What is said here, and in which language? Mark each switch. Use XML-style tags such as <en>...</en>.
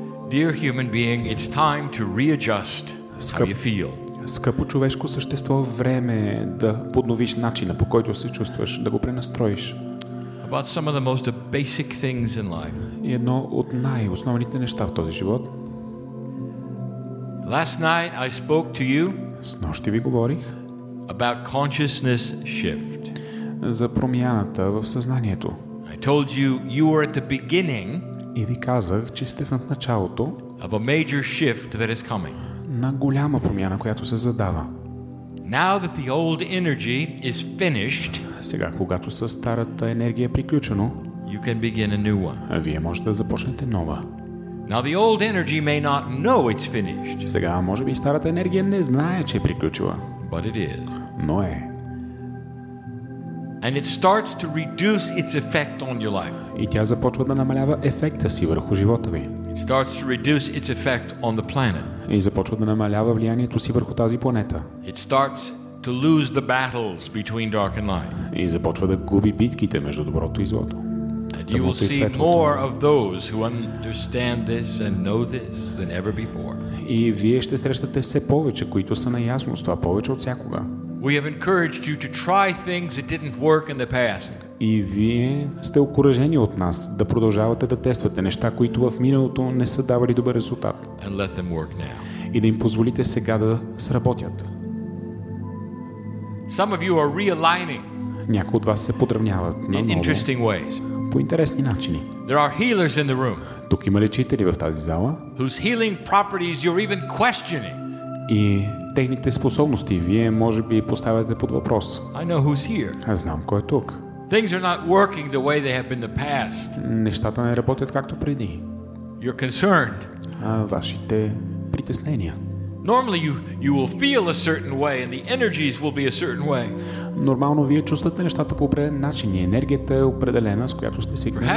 <en>Dear human being, it's time to readjust how you feel.</en> <bg>Скъпо човешко същество, време е да подновиш начина, по който се чувстваш, да го пренастроиш.</bg> <en>About some of the most basic things in life.</en> <bg>И едно от най-основните неща в този живот.</bg> <en>Last night I spoke to you.</en> <bg>Снощи ви говорих.</bg> <en>About consciousness shift.</en> <bg>За промяната в съзнанието.</bg> <en>I told you you were at the beginning.</en> <bg>И ви казах, че сте в началото.</bg> <en>Of a major shift that is coming.</en> <bg>На голяма промяна, която се задава.</bg> <en>Now that the old energy is finished,</en> <bg>сега когато със старата енергия е приключено,</bg> <en>you can begin a new one.</en> <bg>Вие можете да започнете нова.</bg> <en>Now the old energy may not know it's finished.</en> <bg>Сега може би старата енергия не знае, че е приключила.</bg> <en>But it is.</en> <bg>Но е.</bg> <en>And it starts to reduce its effect on your life.</en> <bg>И тя започва да намалява ефекта си върху живота ви.</bg> <en>It starts to reduce its effect on the planet.</en> <bg>И започва да намалява влиянието си върху тази планета.</bg> <en>It starts to lose the battles between dark and light.</en> <bg>И започва да губи битките между доброто и злото.</bg> <en>And you will see more of those who understand this and know this than ever before.</en> <bg>И вие ще срещате все повече, които са наясно с това, повече от всякога.</bg> <en>We have encouraged you to try things that didn't work in the past.</en> <bg>И вие сте окуражени от нас да продължавате да тествате неща, които в миналото не са давали добър резултат.</bg> <en>And let them work now.</en> <bg>И да им позволите сега да сработят.</bg> <en>Some of you are realigning.</en> <bg>Някои от вас се подравняват на ново.</bg> <en>In interesting ways.</en> <bg>По интересни начини.</bg> <en>There are healers in the room.</en> <bg>Тук има лечители в тази зала.</bg> <en>Whose healing properties you're even questioning.</en> <bg>И техните способности вие може би поставяте под въпрос.</bg> <en>I know who's here.</en> <bg>Аз знам кой е тук.</bg> <en>Things are not working the way they have been in the past.</en> <bg>Нещата не работят както преди.</bg> <en>You're concerned.</en> <bg>А вашите притеснения.</bg> <en>Normally you will feel a certain way and the energies will be a certain way.</en> <bg>Нормално вие чувствате нещата по определен начин и енергията е определена, с която сте свикнали.</bg>